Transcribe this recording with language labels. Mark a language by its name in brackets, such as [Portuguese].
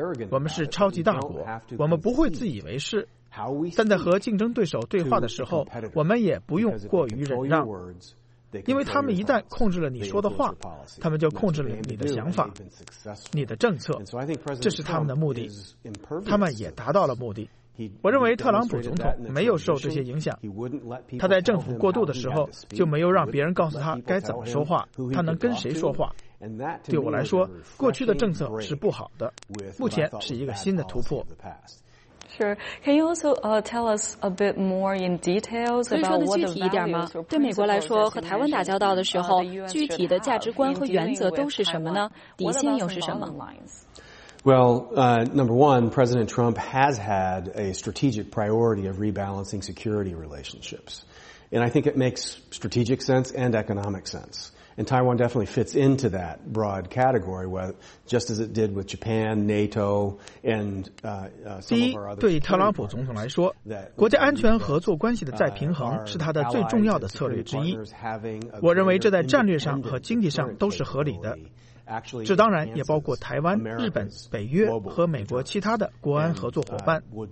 [Chinese] 我们是超级大国，我们不会自以为是，但在和竞争对手对话的时候，我们也不用过于忍让，因为他们一旦控制了你说的话，他们就控制了你的想法、你的政策，这是他们的目的，他们也达到了目的。我认为特朗普总统没有受这些影响，他在政府过渡的时候就没有让别人告诉他该怎么说话，他能跟谁说话。对我来说，过去的政策是不好的，目前是一个新的突破。 [English] Sure. Can you also tell us a bit more in details about what the values or principles that you mentioned? 对美国来说，和台湾打交道的时候，具体的价值观和原则都是什么呢？底线又是什么？ Well, number one, President Trump has had a strategic priority of rebalancing security relationships. And I think it makes strategic sense and economic sense. And Taiwan definitely fits into that broad category, just as it did with Japan, NATO, and some of our other. [Chinese] 对特朗普总统来说，国家安全合作关系的再平衡是他的最重要的策略之一。我认为这在战略上和经济上都是合理的。这当然也包括台湾、日本、北约和美国其他的国安合作伙伴。